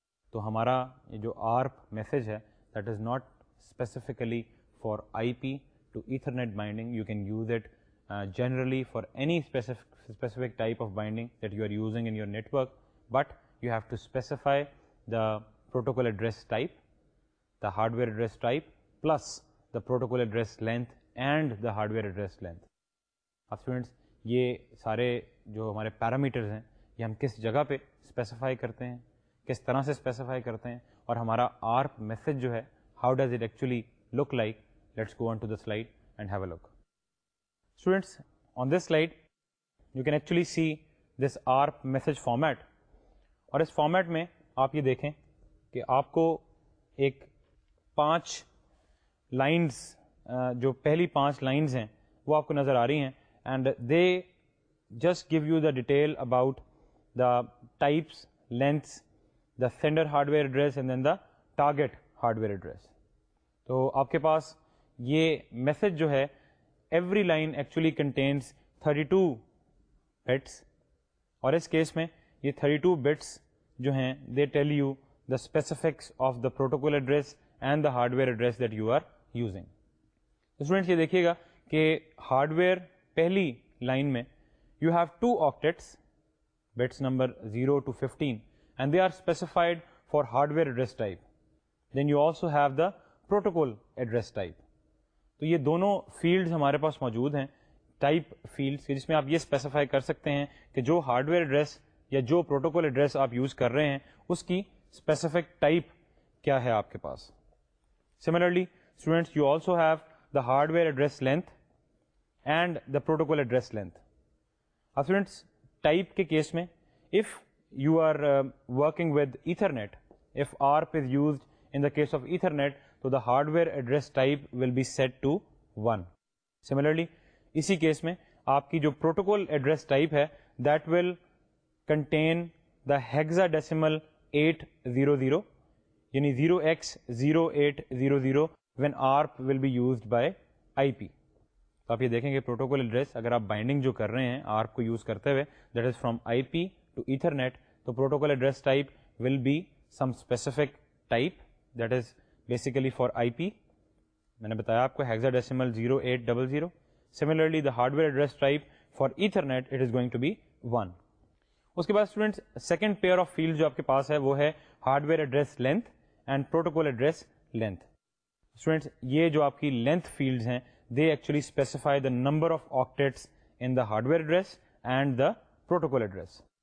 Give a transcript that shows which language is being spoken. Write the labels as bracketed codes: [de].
[ur] تو ہمارا یہ جو [en] ARP message ہے that is not specifically for IP to ethernet binding, you can use it generally for any specific type of binding that you are using in your network, but you have to specify the protocol address type, the hardware address type plus the protocol address length and the hardware address length. [ur] اب students یہ سارے جو ہمارے parameters ہیں یہ ہم کس جگہ پہ اسپیسیفائی کرتے ہیں, کس طرح سے اسپیسیفائی کرتے ہیں, اور ہمارا آرپ میسج جو ہے [en] How does it actually look like. Let's go on to the slide and have a look. Students on this slide you can actually see this ARP message format, [ur] اور اس format میں آپ یہ دیکھیں کہ آپ کو ایک پانچ لائنز, جو پہلی پانچ لائنز ہیں وہ آپ کو نظر آ رہی ہیں, [en] And they just give you the detail about the types lengths the sender hardware address and then the target hardware address. [ur] تو آپ کے پاس یہ میسج جو ہے [en] every line actually contains 32 bits, [ur] اور اس کیس میں یہ 32 بٹس جو ہیں [en] They tell you the specifics of the protocol address and the hardware address that you are using. [ur] Students یہ دیکھیے گا کہ ہارڈ ویئر پہلی لائن میں [en] You have two octets, bits number 0 to 15, and they are specified for hardware address type. Then you also have the protocol address type. [ur] تو یہ دونوں fields ہمارے پاس موجود ہیں, ٹائپ فیلڈس, جس میں آپ یہ اسپیسیفائی کر سکتے ہیں کہ جو ہارڈ ویئر ایڈریس یا جو پروٹوکول ایڈریس آپ یوز کر رہے ہیں اس کی اسپیسیفک ٹائپ کیا ہے آپ کے پاس. [en] Similarly students you also have the hardware address length and the protocol address length. [ur] اب اسٹوڈینٹس ٹائپ کے کیس میں [en] If you are working with Ethernet, if ARP is used in the case of Ethernet, تو the hardware address type will be set to 1. Similarly [ur] اسی case میں آپ کی جو [en] Protocol address type ہے that will contain the hexadecimal 800, یعنی 0x0800 when ARP will be used by I P. [ur] تو آپ یہ دیکھیں کہ پروٹوکول ایڈریس اگر آپ بائنڈنگ جو کر رہے ہیں آرپ کو یوز کرتے ہوئے [en] That is from I P to Ethernet, تو protocol address type will be some specific type that is basically for I P. [ur] میں نے بتایا آپ کو hexa decimal 0800. [en] Similarly the hardware address type for Ethernet it is going to be 1. [ur] اس کے بعد students second pair of field جو آپ کے پاس ہے وہ ہے [en] hardware address length [ur] end protocol address length. Students یہ جو آپ کی لینتھ فیلڈ ہیں [en] They actually specify the number of octets in the hardware address and the protocol address.